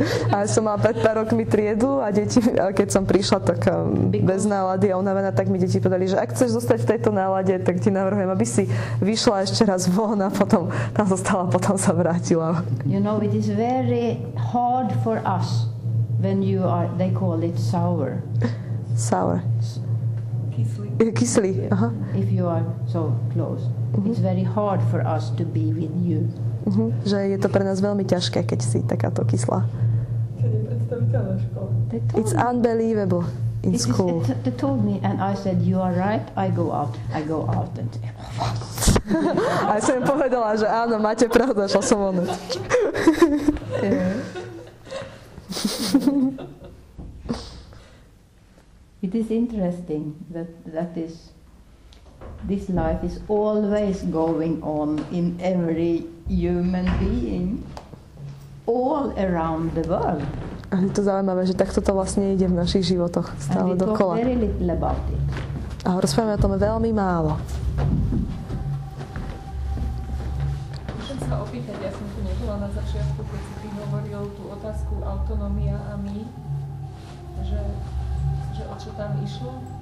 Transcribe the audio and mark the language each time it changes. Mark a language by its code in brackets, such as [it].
[sk] Ale som mala pred pár rokmi triedu a deti, a keď som prišla tak bez nálady a unavená, tak mi deti povedali, že ak chceš zostať v tejto nálade, tak ti navrhujem, aby si vyšla ešte raz von a potom tam zostala, potom sa vrátila. [en] You know, it is very hard for us when you are, they call it sour. Sour. [sk] Kyslý. Kyslý, aha. [en] If you are so close, it's very hard for us to be with you. Uh-huh. [sk] Že je to pre nás veľmi ťažké, keď si takáto kyslá. To je nepredstaviteľná škola. [en] It's unbelievable in school. Is, they told me and I said, you are right, I go out and say, [sk] a som im povedala, že áno, máte pravdu, šla som ono. [en] It is interesting that is, this life is always going on in every human being all around the world. [sk] A je to zaujímavé, že takto to vlastne ide v našich životoch stále dokola. [en] And we talk very little about it. [sk] A rozprávame o tom veľmi málo. Môžem sa opýtať, ja som tu nebola na začiatku, keď si tým hovoril tú otázku autonomia a my, že o čo tam išlo?